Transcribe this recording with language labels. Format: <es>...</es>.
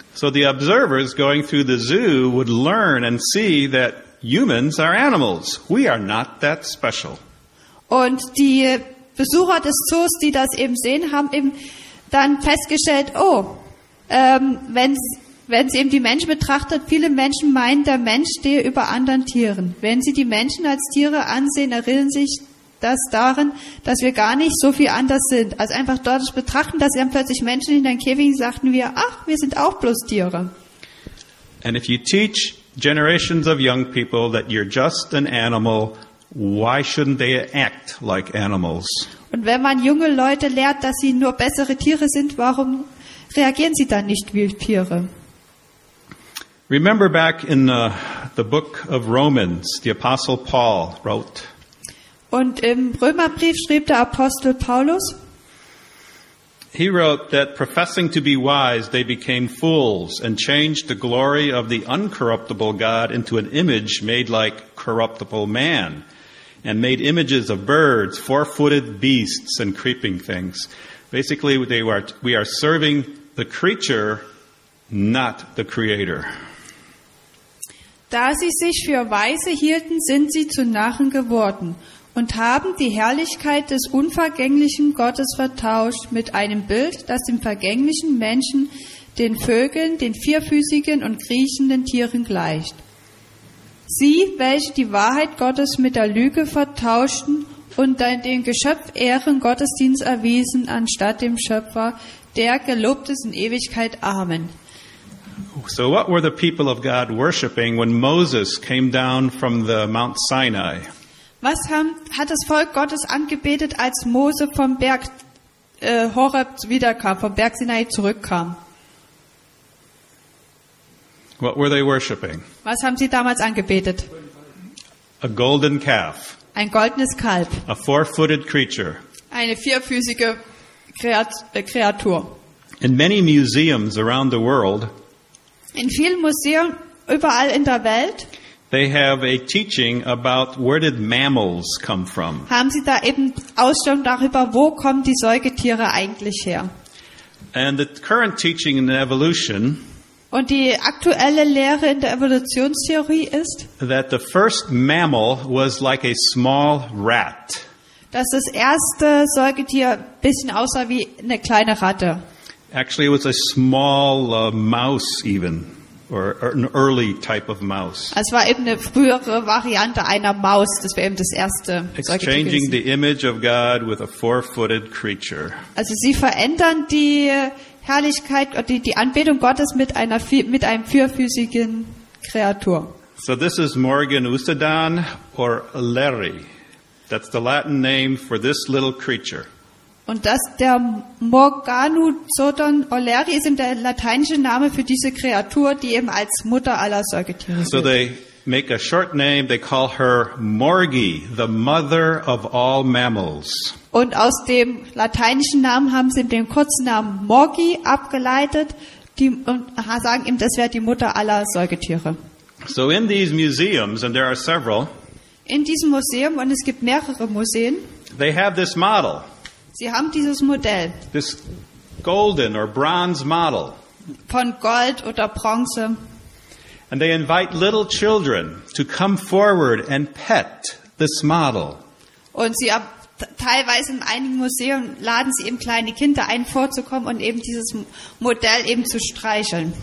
<en>So the observers going through the zoo would learn and see that humans are animals. We are not that special.</en> <de>Und die Besucher des Zoos, die das eben sehen, haben eben dann festgestellt, wenn sie eben die Menschen betrachtet, viele Menschen meinen, der Mensch stehe über anderen Tieren. Wenn sie die Menschen als Tiere ansehen, erinnern sich das daran, dass wir gar nicht so viel anders sind. Als einfach dort betrachten, dass sie dann plötzlich Menschen in den Käfigen sagten wir, ach, wir sind auch bloß Tiere.</de> <en>And if you teach generations of young people that you're just an animal, why shouldn't they act like animals?</en> <de>Und wenn man junge Leute lehrt, dass sie nur bessere Tiere sind, warum reagieren sie dann nicht wie Tiere?</de> <en>Remember back in the book of Romans, the Apostle Paul wrote.</en> <de>Und im Römerbrief schrieb der Apostel Paulus.</de> <en>He wrote that professing to be wise, they became fools and changed the glory of the uncorruptible God into an image made like corruptible man and made images of birds, four-footed beasts and creeping things. Basically, we are serving the creature, not the creator.</en> <de>Da sie sich für weise hielten, sind sie zu Narren geworden und haben die Herrlichkeit des unvergänglichen Gottes vertauscht mit einem Bild, das dem vergänglichen Menschen, den Vögeln, den vierfüßigen und kriechenden Tieren gleicht. Sie, welche die Wahrheit Gottes mit der Lüge vertauschten und dann den Geschöpf Ehren Gottesdienst erwiesen anstatt dem Schöpfer, der gelobt ist in Ewigkeit. Amen.</de> <en>So what were the people of God worshiping when Moses came down from the Mount Sinai?</en> <de>Was hat das Volk Gottes angebetet, als Mose vom Berg Horeb wiederkam, vom Berg Sinai zurückkam?</de> <en>What were they worshiping?</en> <de>Was haben sie damals angebetet?</de> <en>A golden calf.</en> <de>Ein goldenes Kalb.</de> <en>A four-footed creature.</en> <de>Eine vierfüßige Kreatur.</de> <en>In many museums around the world,</en> <de>in vielen Museen überall in der Welt,</de> <en>they have a teaching about where did mammals come from.</en> <de>Haben sie da eben Ausstellung darüber, wo kommen die Säugetiere eigentlich her?</de> <en>And the current teaching in evolution.</en> <de>Und die aktuelle Lehre in der Evolutionstheorie ist,</de> <en>that the first mammal was like a small rat.</en> <de>Dass das erste Säugetier ein bisschen aussah wie eine kleine Ratte.</de> <en>Actually, it was a small mouse even, or an early type of mouse.</en> <de>Es war eben eine frühere Variante einer Maus, das war eben das erste Säugetier.</de> <en>Exchanging the image of God with a four-footed creature.</en> <de>Also sie verändern die Herrlichkeit, die Anbetung Gottes mit einem vierfüßigen Kreatur.</de> <en>So this is Morgan Ucedan or Larry. That's the Latin name for this little creature.</en> <de>Und das der Morganuzodon Olleri ist eben der lateinische Name für diese Kreatur, die eben als Mutter aller Säugetiere gilt.</de> <en>So they make a short name, they call her Morgi, the mother of all mammals.</en> <de>Und aus dem lateinischen Namen haben sie den kurzen Namen Morgi abgeleitet, und sagen eben, das wäre die Mutter aller Säugetiere.</de> <en>So in these museums, and there are several,</en> <de>in diesem Museum, und es gibt mehrere Museen,</de> <en>they have this model.</en> <de>Sie haben dieses Modell.</de> <en>This golden or bronze model.</en> <de>Von Gold oder Bronze.</de> <en>And they invite little children to come forward and pet this model.</en> <de>Und sie teilweise in einigen Museen laden sie eben kleine Kinder ein, vorzukommen und eben dieses Modell eben zu streicheln.</de>